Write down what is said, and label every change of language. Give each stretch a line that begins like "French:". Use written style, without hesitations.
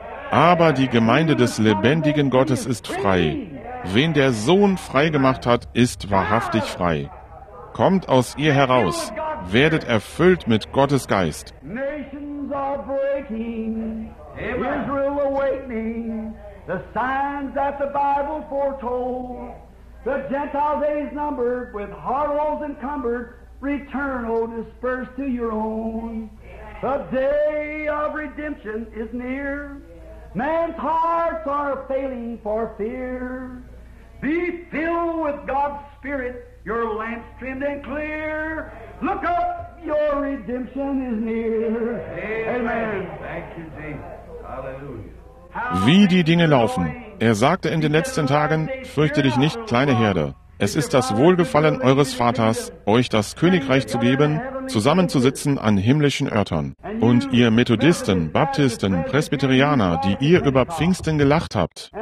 German: Aber die Gemeinde des lebendigen Gottes ist frei. Wen der Sohn frei gemacht hat, ist wahrhaftig frei. Kommt aus ihr heraus, werdet erfüllt mit Gottes Geist.
English: Nations are breaking, Israel awakening, the signs that the Bible foretold. The Gentiles days numbered, with hard walls encumbered, return, O dispersed to your own. The day of redemption is near. Man's hearts are failing for fear. Be filled with God's Spirit, your lamps trimmed and clear. Look up, your redemption is near. Amen. Amen. Thank you, Jesus. Hallelujah.
German: Wie die Dinge laufen. Er sagte in den letzten Tagen, fürchte dich nicht, kleine Herde. Es ist das Wohlgefallen eures Vaters, euch das Königreich zu geben, zusammenzusitzen an himmlischen Örtern. Und ihr Methodisten, Baptisten, Presbyterianer, die ihr über Pfingsten gelacht habt.